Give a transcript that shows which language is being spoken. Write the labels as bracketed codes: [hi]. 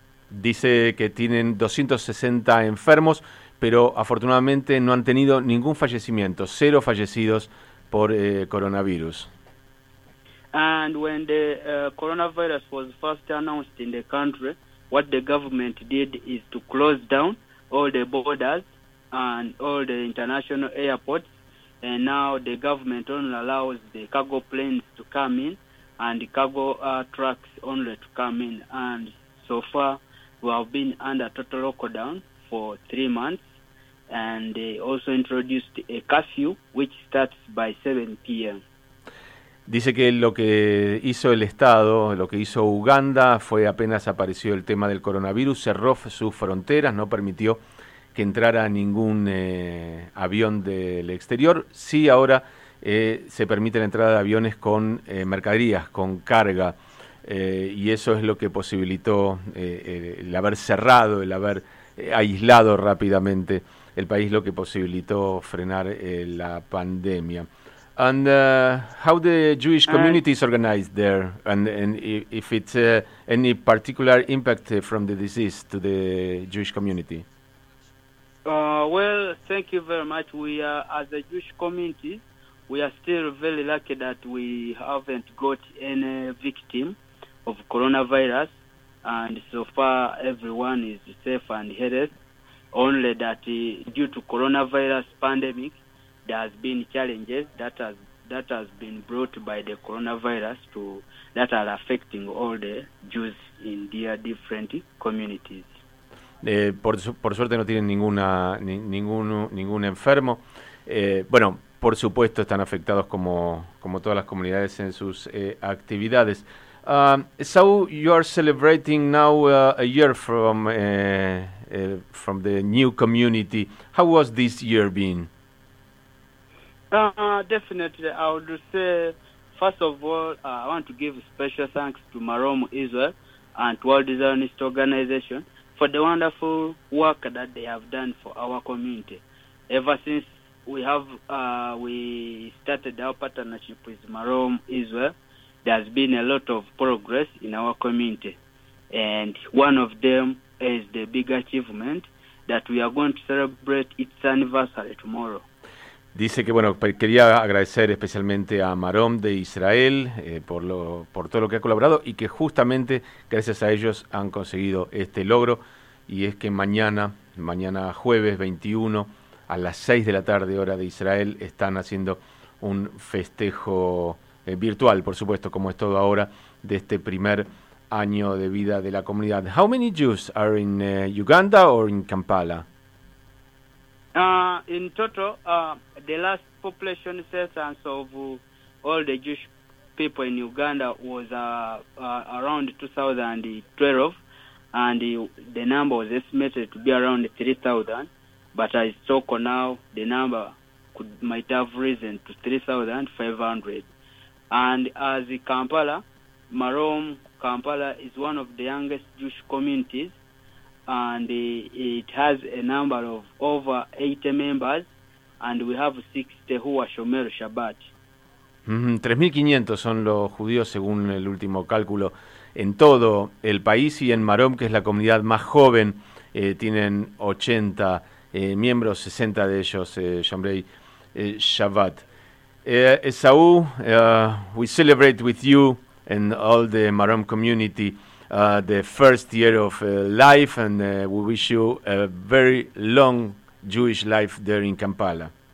[es] Dice que tienen 260 enfermos, pero afortunadamente no han tenido ningún fallecimiento, cero fallecidos por coronavirus. [en] And when the coronavirus was first announced in the country, what the government did is to close down all the borders and all the international airports. And now the government only allows the cargo planes to come in and cargo trucks only to come in. And so far, we have been under total lockdown for 3 months. And they also introduced a curfew, which starts by 7 p.m. [es] Dice que lo que hizo el Estado, lo que hizo Uganda, fue apenas apareció el tema del coronavirus, cerró sus fronteras, no permitió que entrara ningún avión del exterior. Sí, ahora se permite la entrada de aviones con mercaderías, con carga, y eso es lo que posibilitó el haber cerrado, el haber aislado rápidamente el país, lo que posibilitó frenar la pandemia. [en] And how the Jewish And community is organized there, and if it's any particular impact from the disease to the Jewish community? well, thank you very much. We are, as a Jewish community, we are still very lucky that we haven't got any victim of coronavirus, and so far everyone is safe and healthy. Only that due to coronavirus pandemic, there has been challenges that has been brought by the coronavirus to that are affecting all the Jews in their different communities. [es] Por suerte no tienen ningún enfermo. Bueno, por supuesto están afectados como todas las comunidades en sus actividades. [en] So you are celebrating now a year from the new community. How was this year been? Definitely, I would say, first of all, I want to give special thanks to Marom Israel and to World Zionist Organization for the wonderful work that they have done for our community. Ever since we started our partnership with Marom Israel, there's been a lot of progress in our community. And one of them is the big achievement that we are going to celebrate its anniversary tomorrow. [es] Dice que, bueno, quería agradecer especialmente a Marom de Israel por todo lo que ha colaborado y que justamente gracias a ellos han conseguido este logro. Y es que mañana jueves 21 a las 6 de la tarde, hora de Israel, están haciendo un festejo virtual, por supuesto, como es todo ahora, de este primer año de vida de la comunidad. [en] How many Jews are in Uganda or in Kampala? In total, the last population census of all the Jewish people in Uganda was around 2012, and the number was estimated to be around 3,000, but I saw now the number might have risen to 3,500. And as Kampala, Marom Kampala is one of the youngest Jewish communities, and it has a number of over 80 members, and we have 60 who are Shomer Shabbat. [es] 3.500 son los judíos, según el último cálculo, en todo el país, y en Marom, que es la comunidad más joven, tienen 80 miembros, 60 de ellos Shomrei Shabbat. [en] Esaú, we celebrate with you and all the Marom community the first year of life, and we wish you a very long Jewish life there in Kampala.